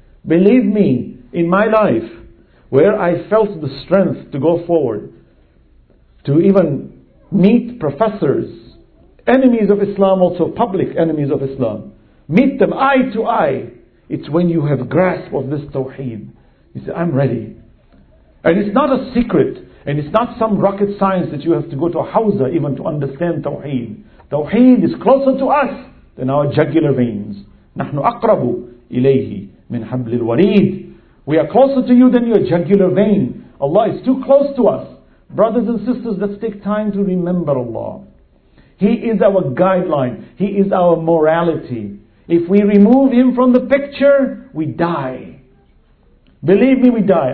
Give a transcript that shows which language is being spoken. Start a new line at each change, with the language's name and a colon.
English: Believe me, in my life, where I felt the strength to go forward, to even meet professors, enemies of Islam, also public enemies of Islam, meet them eye to eye, it's when you have grasp of this tawheed. You say, I'm ready. And it's not a secret. And it's not some rocket science that you have to go to a hawza even to understand tawheed. Tawheed is closer to us than our jugular veins.
Arabic: نحن أقرب إليه من حبل الوريد.
English: We are closer to you than your jugular vein. Allah is too close to us. Brothers and sisters, let's take time to remember Allah. He is our guideline. He is our morality. If we remove Him from the picture, we die. Believe me, we die.